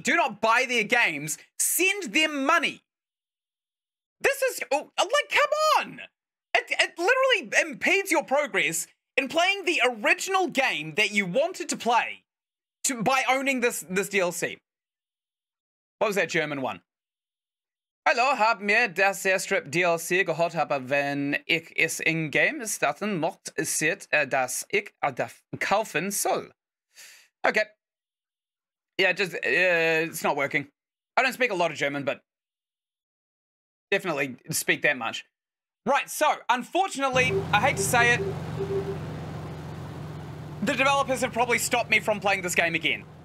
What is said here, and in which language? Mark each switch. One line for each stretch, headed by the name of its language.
English: Do not buy their games. Send them money. This is, like, come on. It literally impedes your progress in playing the original game that you wanted to play by owning this DLC. What was that German one?
German: Hallo, hab mir das Airstrip DLC geholt, aber wenn ich es in-game starten mocht, sieht, dass ich das kaufen soll.
English: Okay. Yeah, just, it's not working. I don't speak a lot of German, but definitely speak that much. Right, so, unfortunately, I hate to say it, the developers have probably stopped me from playing this game again.